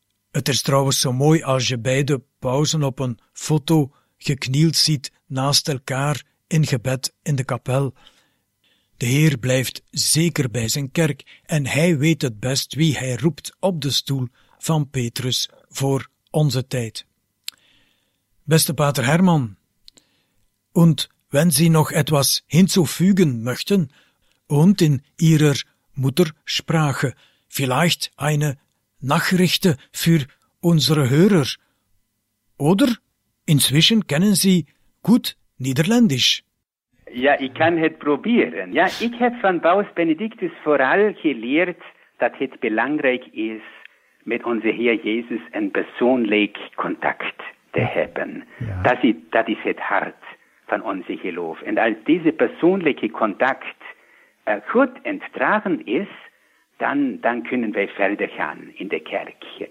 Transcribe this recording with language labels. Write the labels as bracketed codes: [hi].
[nl] Het is trouwens zo mooi als je beide pausen op een foto geknield ziet naast elkaar in gebed in de kapel. De Heer blijft zeker bij zijn kerk en hij weet het best wie hij roept op de stoel van Petrus voor onze tijd. [de] Beste pater Herman, und wenn Sie noch etwas hinzufügen möchten und in Ihrer Muttersprache vielleicht eine Nachricht für unsere Hörer oder inzwischen kennen Sie gut Niederländisch. Ja, ich kann het probieren. [nl] Ja, ich heb van Paus Benedictus vooral geleerd dat het belangrijk is met onze Heer Jezus een persoonlijk contact te hebben. Ja. Dat is het hart van onze geloof. En als deze persoonlijke contact goed en dragend is, dan kunnen wij verder gaan in de kerk.